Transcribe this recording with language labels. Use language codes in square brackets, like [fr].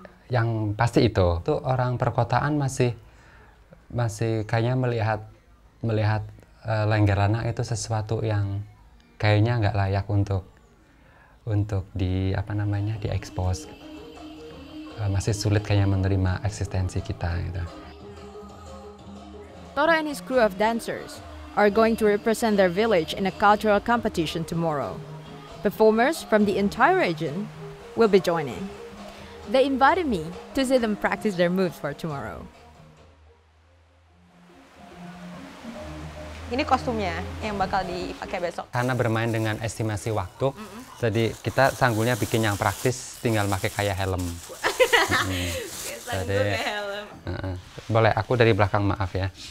[id] Yang pasti itu. Itu orang perkotaan masih kayaknya melihat Lengger Lanang itu sesuatu yang kayaknya nggak layak untuk di apa namanya diekspos, masih sulit kayaknya menerima eksistensi kita gitu. [en] Tora and his crew of dancers are going to represent their village in a cultural competition tomorrow. Performers from the entire region will be joining. They invited me to see them practice their moves for tomorrow. [id] Ini kostumnya yang bakal dipakai besok. Karena bermain dengan estimasi waktu, jadi kita sanggulnya bikin yang praktis, tinggal pakai kayak helm. Jadi, kayak helm. Boleh, aku dari belakang maaf ya.